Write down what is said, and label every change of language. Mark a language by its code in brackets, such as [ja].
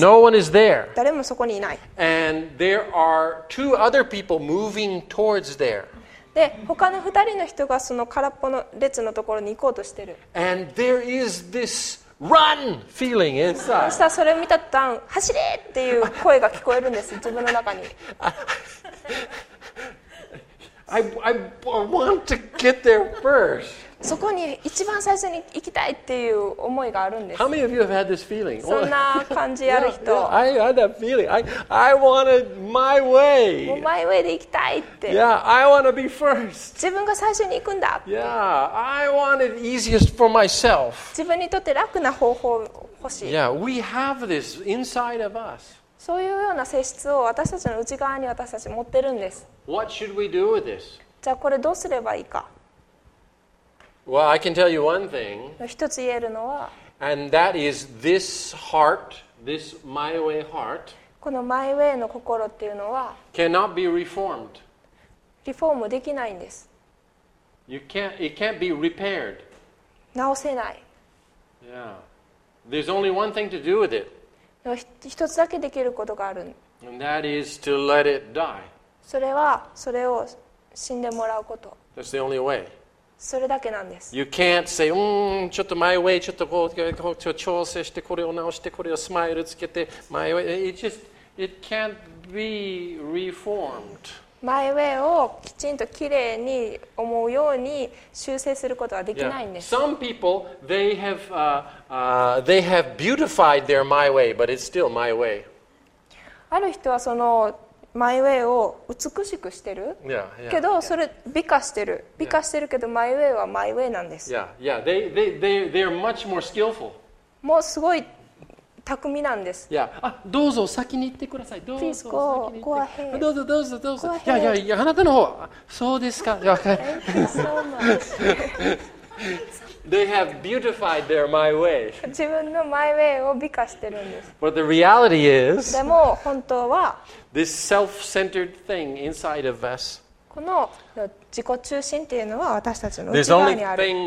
[en] No one is there. [ja] 誰もそこにいない。 [en] And there are two other people moving towards there. [ja] で他の二人の人がその空っぽの列のところに行こうとしてる。 [en] And there is this. Run feeling inside. [ja] そしたらそれを見た途端、走れっていう声が聞こえるんです、自分の中に。 [en] I want to get there first. [ja] そこに一番最初に行きたいっていう思いがあるんです。 [en] How many of you have had this feeling? [ja] そんな感じある人。 [en] Yeah, yeah, I had that feeling. I wanted my way. [ja] もう my way で行きたいって。 [en] Yeah, I want to be first. [ja] 自分が最初に行くんだ。 [en] Yeah, I wanted easiest for myself. [ja] 自分にとって楽な方法欲しい。 [en] Yeah, we have this inside of us. [ja] そういうような性質を私たちの内側に私たち持ってるんです。 [en] What should we do with this? [ja] じゃあこれどうすればいいか。 [en] Well, I can tell you one thing. [ja] 一つ言えるのは、 [en] And that is this heart, this my way heart, [ja] このマイウェイの心っていうのは、 [en] cannot be reformed. [ja] リフォームできないんです。 [en] You can't, it can't be repaired. [ja] 直せない。 [en] Yeah. There's only one thing to do with it. [ja] 一つだけできることがある。 [en] And that is to let it die. [ja] それはそれを死んでもらうこと。 [en] That's the only way. [ja] それだけなんです。 [en] You can't say, [ja] ちょっと my way, ちょっとこう調整して、これを直して、これをスマイルつけて、my way. [en] It just, it can't be reformed. [ja] My way をきちんときれいに思うように修正することはできないんです。 [en] Yeah. Some people, they have, they have beautified their my way, but it's still my way. [ja] ある人はそのマイウェイを美しくしてる。 [en] Yeah, yeah, [ja] けどそれ美化してる。美化してるけどマイウェイはマイウェイなんです。 [en] Yeah, yeah. They are much more skillful. [ja] もうすごい巧みなんです。 [en] Yeah. [ja] あ、どうぞ先に行ってください。どうぞ [en] Please go. [ja] 先に行って。 [en] Go ahead. [ja] どうぞどうぞどうぞ。いやいやいや、あなたの方は。そうですか。 [en] Thank you so much. They have beautified their my way. [ja] 自分の my way を美化してるんです。 [en] But the reality is, [ja] でも本当は [en] this self-centered thing inside of us, [ja] ここの自己中心っていうのは私たちの内側にある。